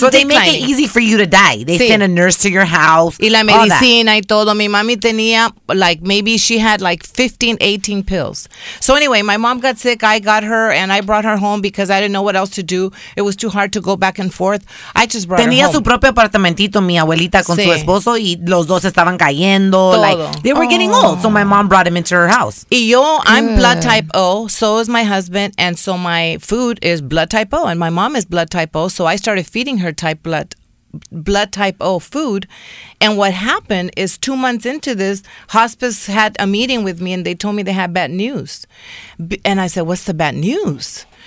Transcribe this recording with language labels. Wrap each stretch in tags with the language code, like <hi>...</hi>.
<en>so they make it easy for you to die. They send a nurse to your house.</en> <es>Y la medicina y todo. Mi mami tenía,</es> <en>like, maybe she had like 15, 18 pills. So anyway, my mom got sick. I got her and I brought her home because I didn't know what else to do. It was too hard to go back and forth. I just brought</en> <es>tenía</es> <en>her home.</en> <es>Tenía su propio apartamentito, mi abuelita, con su esposo. Y los dos estaban cayendo. Todo.</es> <en>Like, they were getting old. So my mom brought him into her house.</en> <es>Y yo,</es> <en>I'm blood type O, so is my husband, and so my food is blood type O, and my mom is blood type O, so I started feeding her blood type O food, and what happened is 2 months into this, hospice had a meeting with me, and they told me they had bad news, and I said, what's the bad news?</en>